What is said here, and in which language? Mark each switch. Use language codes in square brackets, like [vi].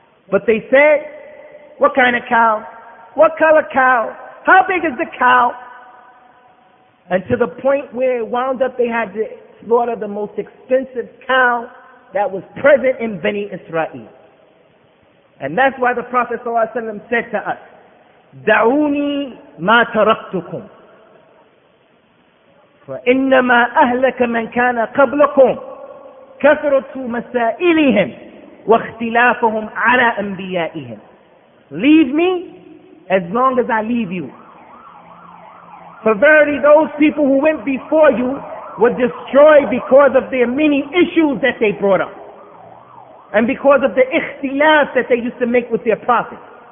[en] But they said, what kind of cow? What color cow? How big is the cow? And to the point where it wound up they had to slaughter the most expensive cow that was present in Bani Israel. And that's why the Prophet ﷺ said to us, [ar] دعوني ما تركتكم فإنما أهلك من كان قبلكم كثرة مسائلهم واختلافهم على أنبيائهم. [en] Leave me as long as I leave you. For verily those people who went before you were destroyed because of their many issues that they brought up. And because of the ikhtilaf that they used to make with their prophets.